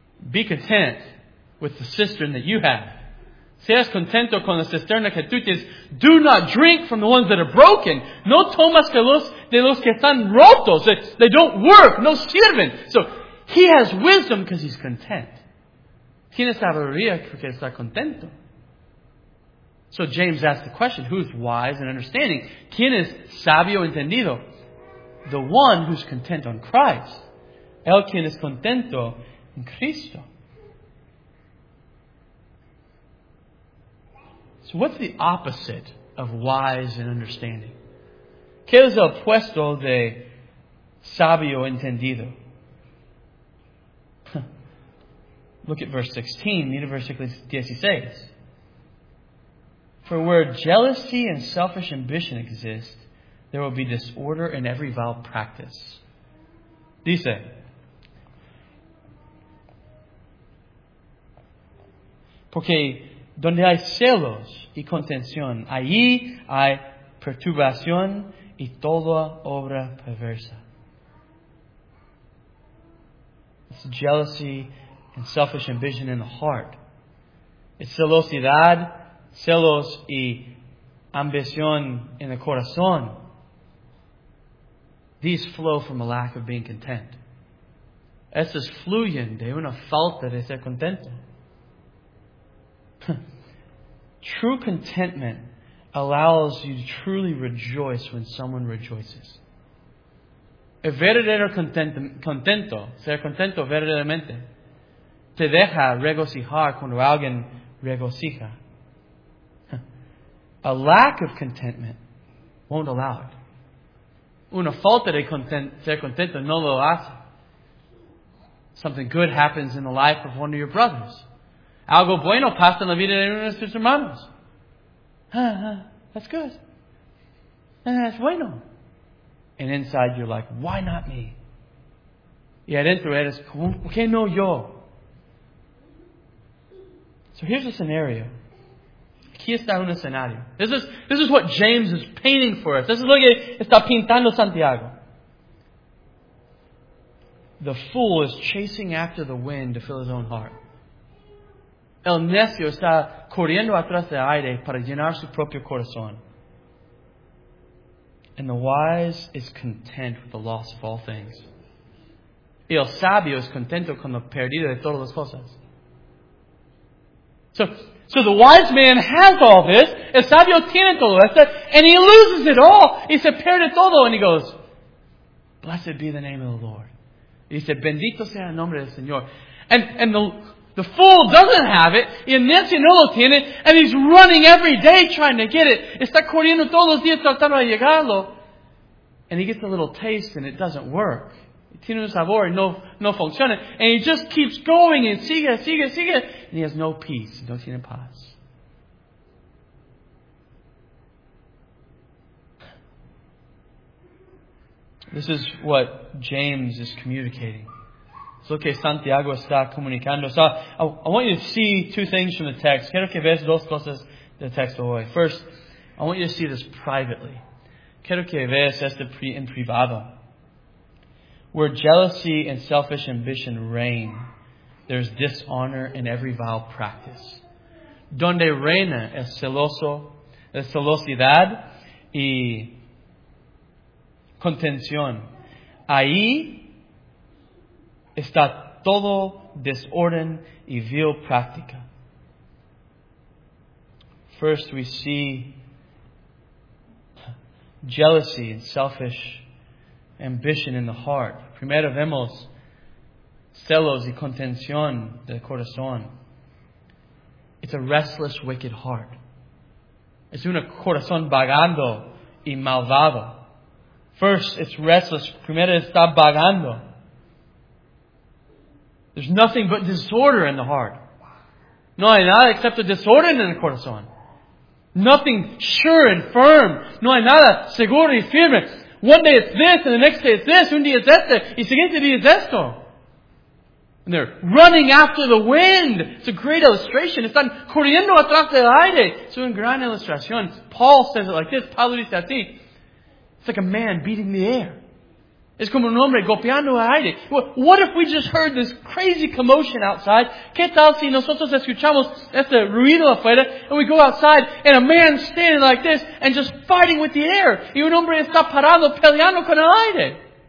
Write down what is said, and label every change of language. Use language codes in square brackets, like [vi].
[en] Be content with the cistern that you have. [es] Seas contento con la cisterna que tú tienes. [en] Do not drink from the ones that are broken. [es] No tomas de los que están rotos. [en] They don't work. [es] No sirven. [en] So, he has wisdom because he's content. [es] Tiene sabiduría porque está contento. [en] So, James asked the question, who's wise and understanding? [es] ¿Quién es sabio entendido? [en] The one who's content on Christ. [es] El quien es contento en Cristo. [en] So what's the opposite of wise and understanding? [es] ¿Qué es el opuesto de sabio entendido? [en] Look at verse 16. [es] Mira versículo 16. [en] For where jealousy and selfish ambition exist, there will be disorder in every vile practice. [es] Dice, porque donde hay celos y contención, allí hay perturbación y toda obra perversa. [en] It's jealousy and selfish ambition in the heart. [es] It's celosidad, celos y ambición en el corazón. [en] These flow from a lack of being content. [es] Estas fluyen de una falta de ser contento. [en] True contentment allows you to truly rejoice when someone rejoices. [es] El verdadero contento, ser contento verdaderamente, te deja regocijar cuando alguien regocija. [en] A lack of contentment won't allow it. [es] Una falta de ser contento no lo hace. [en] Something good happens in the life of one of your brothers. [es] Algo bueno pasa en la vida de uno de tus hermanos. [en] That's good. That's bueno. And inside you're like, why not me? [es] Y adentro eres, ¿por qué no yo? [en] So here's a scenario. [es] Aquí está un escenario. [en] This is what James is painting for us. This is [es] lo que está pintando Santiago. [en] The fool is chasing after the wind to fill his own heart. [es] El necio está corriendo atrás del aire para llenar su propio corazón. [en] And the wise is content with the loss of all things. [es] Y el sabio es contento con la pérdida de todas las cosas. [en] So the wise man has all this, [es] el sabio tiene todo esto, [en] and he loses it all. He [es] se pierde todo, [en] and he goes, blessed be the name of the Lord. He said, [es] bendito sea el nombre del Señor. [en] And the fool doesn't have it, [es] y el necio no lo tiene, [en] and he's running every day trying to get it. [es] Está corriendo todos los días tratando de llegarlo. [en] And he gets a little taste, and it doesn't work. [es] Tiene un sabor y no funciona. [en] And he just keeps going and [es] sigue. [en] And he has no peace. [es] No tiene paz. [en] This is what James is communicating. [es] Es lo que Santiago está comunicando. [en] So I want you to see two things from the text. [es] Quiero que veas dos cosas del texto hoy. [en] First, I want you to see this privately. [es] Quiero que veas esto en privado. [en] Where jealousy and selfish ambition reign, there's dishonor in every vile practice. [es] Donde reina el celoso, la celosidad y contención, ahí está todo desorden y vil práctica. [en] First, we see jealousy and selfish ambition in the heart. [es] Primero vemos celos y contención del corazón. [en] It's a restless, wicked heart. [es] Es un corazón vagando y malvado. [en] First, it's restless. [es] Primero está vagando. [en] There's nothing but disorder in the heart. [es] No hay nada [en] except a disorder in the corazón. [es] Nothing sure and firm. No hay nada seguro y firme. [en] One day it's this, and the next day it's this. [es] Un día es este, y siguiente día es esto. [en] And they're running after the wind. It's a great illustration. [es] Están corriendo atrás del aire. Es una gran ilustración. [en] Paul says it like this. [es] Pablo dice así. [en] It's like a man beating the air. [es] Es como un hombre golpeando el aire. [en] What if we just heard this crazy commotion outside? [es] ¿Qué tal si nosotros escuchamos este ruido afuera? [en] And we go outside and a man standing like this and just fighting with the air. [es] Y un hombre está parado peleando con el aire.